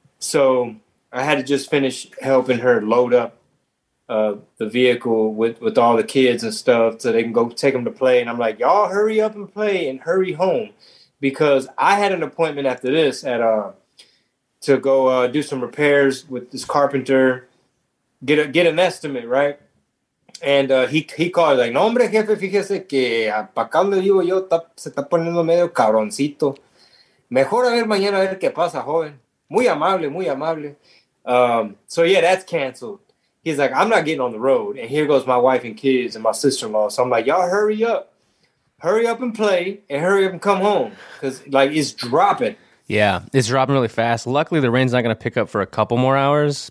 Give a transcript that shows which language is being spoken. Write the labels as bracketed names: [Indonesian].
[English] So I had to just finish helping her load up the vehicle with all the kids and stuff so they can go take them to play. And I'm like, y'all hurry up and play and hurry home, because I had an appointment after this to go do some repairs with this carpenter, get an estimate, right? And he called, like, [Spanish] no, hombre, jefe, fíjese que acá donde vivo yo se está poniendo medio cabroncito. Mejor a ver mañana a ver qué pasa, joven. Muy amable, muy amable. [English] So, yeah, that's canceled. He's like, I'm not getting on the road. And here goes my wife and kids and my sister-in-law. So I'm like, y'all hurry up. Hurry up and play and hurry up and come home. Because, like, it's dropping. Yeah, it's dropping really fast. Luckily, the rain's not going to pick up for a couple more hours.